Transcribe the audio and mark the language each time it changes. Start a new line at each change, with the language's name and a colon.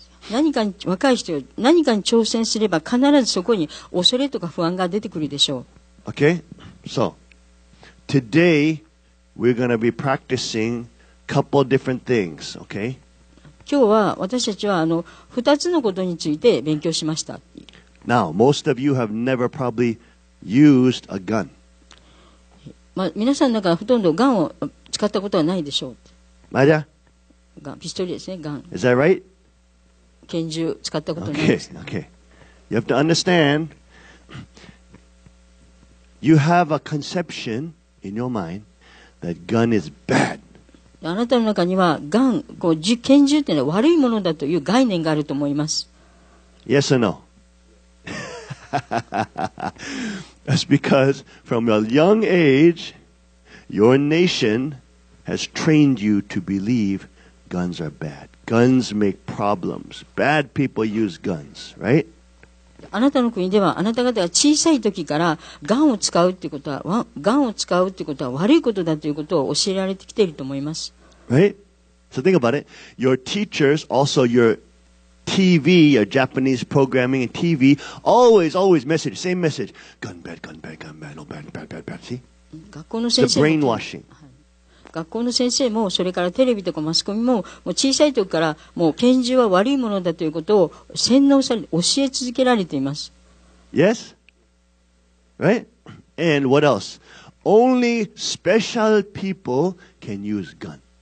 Japanese: 何かに挑戦すれば必ずそこに恐れとか不安が出てくるでしょう。
English: Okay, so. Today, we're going to be practicing a couple different things, okay?
Japanese: 今日は私たちは2つのことについて勉強しました。
English: Now, most of you have never probably used a gun.
Japanese: まあ、皆さんの中はほとんどガンを使ったことはないでしょう。マリア？ガン、ピストルですね、ガン。
English: Is that right?
Japanese: 拳銃使ったことないです。Okay.
English: You have to understand, you have a conception... In your mind, that gun is bad.
Japanese: あなたの中にはガン、こう拳銃というのは悪いものだという概念があると思います。
English: Yes or no? That's because from a young age, your nation has trained you to believe guns are bad. Guns make problems. Bad people use guns, right?
Japanese: あなたの国ではあなた方が小さい時からガンを使うということは、ガンを使うということは悪いことだということを教えられてきていると思います。
English: Right? So think about it. Your teachers, also your TV, your Japanese programming and TV, always, always message, same message. Gun bad, gun bad, gun bad, no bad, bad, bad, bad. See? The brainwashing.
Japanese: 学校の先生も、それからテレビとかマスコミも、もう小さい時から、もう拳銃は悪いものだということを洗脳され、教え続けられています。
English: Yes? Right? And what else? Only special people can use gun.